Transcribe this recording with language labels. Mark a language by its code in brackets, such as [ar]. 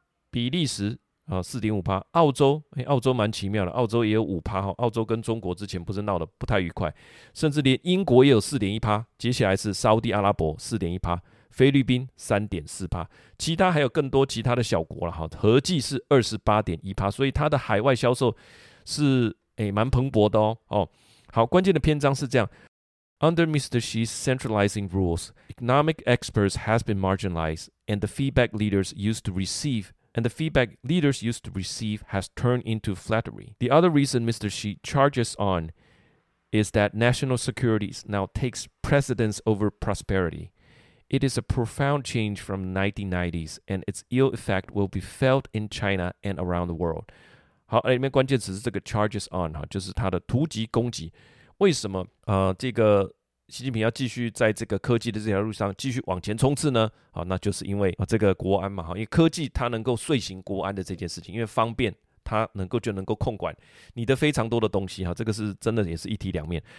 [zh] 比利时4.5%， 澳洲，澳洲蛮奇妙的，澳洲也有 5%， 澳洲跟中国之前不是闹得不太愉快，甚至连英国也有 4.1%， 接下来是沙地阿拉伯 4.1%， 菲律宾 3.4%， 其他还有更多其他的小国了，合计是 28.1%， 所以它的海外销售是蛮蓬勃的。好，关键的篇章是这样， [en] Under Mr. Xi's centralizing rules, economic experts have been marginalized and the feedback leaders used to receiveAnd the feedback leaders used to receive has turned into flattery. The other reason Mr. Xi charges on is that national security now takes precedence over prosperity. It is a profound change from the 1990s, and its ill effect will be felt in China and around the world. [zh] 好，里面关键词是这个 [en] charges on， [zh] 就是他的突击攻击。为什么这个习近平要继续在这个科技的这条路上继续往前冲刺呢？好，那就是因为这个国安嘛，因为科技它能够遂行国安的这件事情，因为方便它能够就能够控管你的非常多的东西，这个是真的也是一体两面。